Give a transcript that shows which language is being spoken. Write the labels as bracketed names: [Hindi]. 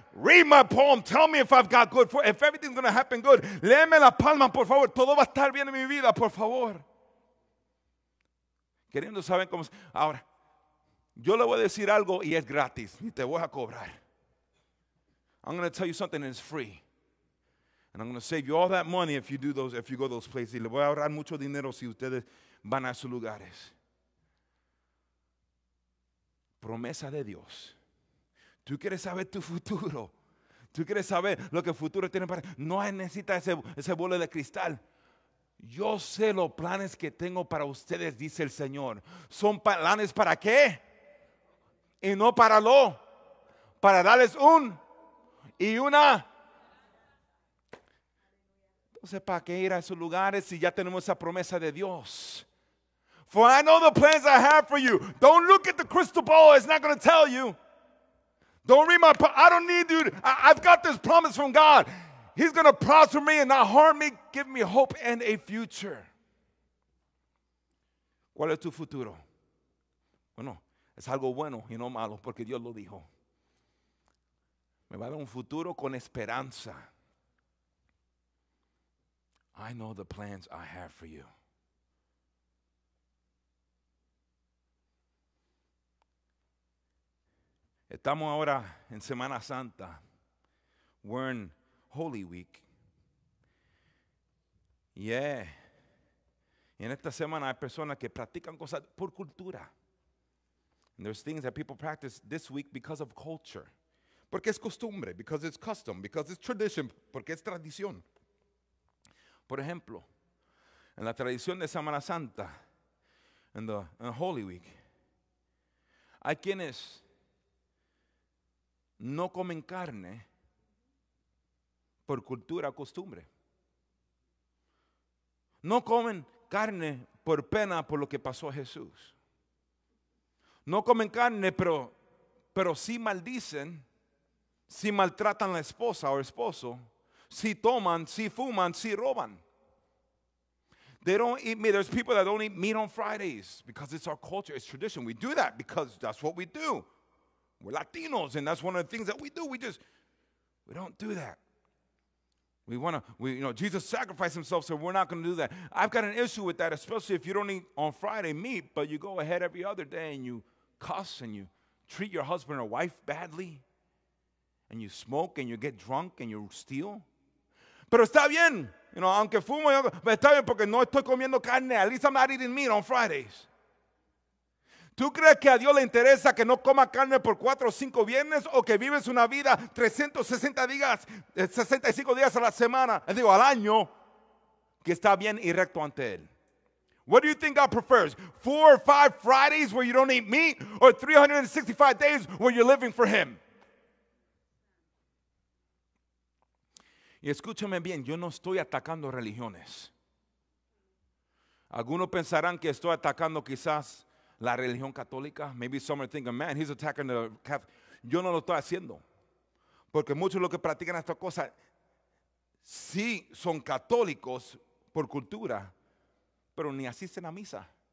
[English] Read my palm. Tell me if I've got good. If everything's going to happen good. [Spanish] Léeme la palma, por favor. Todo va a estar bien en mi vida, por favor. Queriendo saber cómo. Ahora, yo le voy a decir algo y es gratis. Y te voy a cobrar. [English] I'm going to tell you something and it's free. And I'm going to save you all that money if you do those, if you go to those places. [Spanish] Y le voy a ahorrar mucho dinero si ustedes van a esos lugares. Promesa de Dios. Tú quieres saber tu futuro. Tú quieres saber lo que el futuro tiene para ti. No necesitas ese bolo de cristal. Yo sé los planes que tengo para ustedes, dice el Señor. ¿Son planes para qué? Y no para lo. Para darles un y una. No sé para qué ir a esos lugares si ya tenemos esa promesa de Dios. [English] For I know the plans I have for you. Don't look at the crystal ball. It's not going to tell you. Don't read my. I don't need you. I've got this promise from God. He's going to prosper me and not harm me. Give me hope and a future. [Spanish] ¿Cuál es tu futuro? Bueno, es algo bueno y no malo porque Dios lo dijo. Me va a dar un futuro con esperanza. [English] I know the plans I have for you. [Spanish] Estamos ahora en Semana Santa. [English] We're in Holy Week. Yeah. [Spanish] Y en esta semana hay personas que practican cosas por cultura. [English] And there's things that people practice this week because of culture. [Spanish] Porque es costumbre, [English] because it's custom, because it's tradition, [Spanish] porque es tradición. Por ejemplo, en la tradición de Semana Santa, en [English] Holy Week, [Spanish] hay quienes no comen carne por cultura o costumbre. No comen carne por pena por lo que pasó a Jesús. No comen carne, pero sí maldicen, sí maltratan a la esposa o esposo, sí toman, sí fuman, sí roban. [English] They don't eat meat. There's people that don't eat meat on Fridays because it's our culture. It's tradition. We do that because that's what we do. We're Latinos, and that's one of the things that we do. We don't do that. Jesus sacrificed himself, so we're not going to do that. I've got an issue with that, especially if you don't eat on Friday meat, but you go ahead every other day and you cuss and you treat your husband or wife badly and you smoke and you get drunk and you steal. [Spanish] Pero está bien. [English] You know, [Spanish] aunque fumo, está bien porque no estoy comiendo carne. [English] At least I'm not eating meat on Fridays. [Spanish] ¿Tú crees que a Dios le interesa que no coma carne por 4 o 5 viernes o que vives una vida 360 días, 65 días a la semana, digo, al año, que está bien y recto ante Él? [English] What do you think God prefers? 4 or 5 Fridays where you don't eat meat or 365 days where you're living for Him? [Spanish] Y escúchame bien, yo no estoy atacando religiones. Algunos pensarán que estoy atacando quizás la religión católica. [English] Maybe some are thinking, man, he's attacking the Catholic. [Spanish] Yo no lo estoy haciendo. Porque muchos de los que practican esta cosa, sí son católicos por cultura, pero ni asisten a misa.